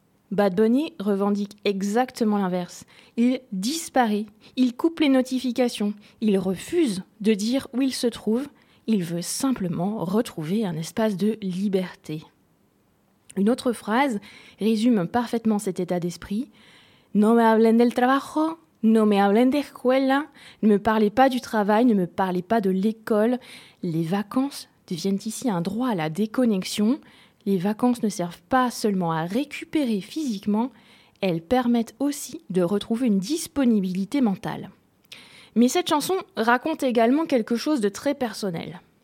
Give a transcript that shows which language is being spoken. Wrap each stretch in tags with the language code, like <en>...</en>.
<fr>Bad Bunny revendique exactement l'inverse. Il disparaît, il coupe les notifications, il refuse de dire où il se trouve. Il veut simplement retrouver un espace de liberté. Une autre phrase résume parfaitement cet état d'esprit.</fr> <es>No me hablen del trabajo, no me hablen de escuela.</es> <fr>Ne me parlez pas du travail, ne me parlez pas de l'école. Les vacances deviennent ici un droit à la déconnexion. Les vacances ne servent pas seulement à récupérer physiquement, elles permettent aussi de retrouver une disponibilité mentale. Mais cette chanson raconte également quelque chose de très personnel.</fr>